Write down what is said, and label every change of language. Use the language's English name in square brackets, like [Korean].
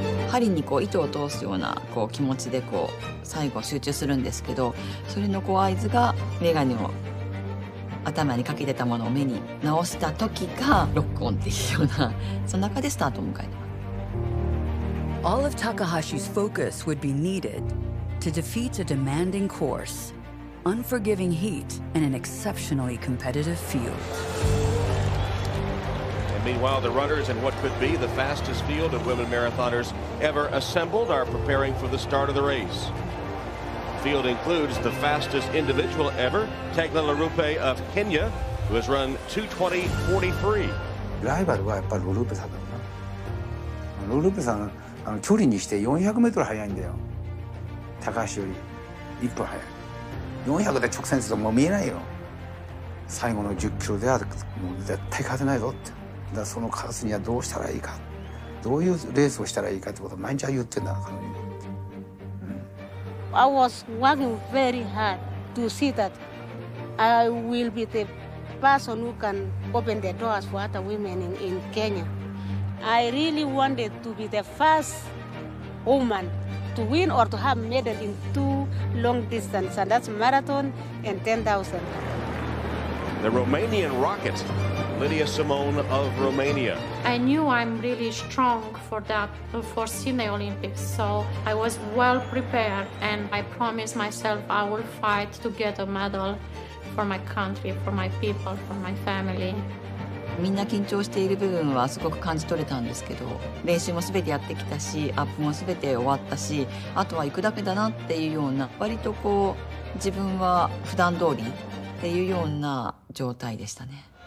[Japanese] 針にこう糸を通すようなこう気持ちでこう最後集中するんですけど、それのこう合図が眼鏡を頭にかけてたものを目に直した時がロックオンっていうような、その中でスタートを迎えた。 [English] All of Takahashi's focus would be needed to defeat a demanding course, unforgiving heat and an exceptionally competitive field. Meanwhile, the runners in what could be the fastest field of women marathoners ever assembled are preparing for the start of the race. The field includes the fastest individual ever, Tegla Lorupe of Kenya, who has run 2:20.43. [Japanese] ライバルはやっぱりロルーペさんだろうな。ロルーペさん、あの距離にして400メートル速いんだよ。高橋より1分速い。400で直線するともう見えないよ。最後の10キロではもう絶対勝てないぞって。だそのカラスにはどうしたらいいか、どういうレースをしたらいいかってことを毎日は言ってんだ、彼女に。 [English] I was working very hard to see that I will be the person who can open the doors for other women in Kenya. I really wanted to be the first woman to win or to have medal in 2 long distance, and that's marathon and 10,000. The Romanian rocket. Lydia Simone of Romania. I knew I'm really strong for that, for Sydney Olympics. So I was well prepared and I promised myself I will fight to get a medal for my country, for my people, for my family. [Japanese] みんな緊張している部分はすごく感じ取れたんですけど、練習もすべてやってきたし、アップもすべて終わったし、あとは行くだけだなっていうような、割とこう自分は普段通りっていうような状態でしたね。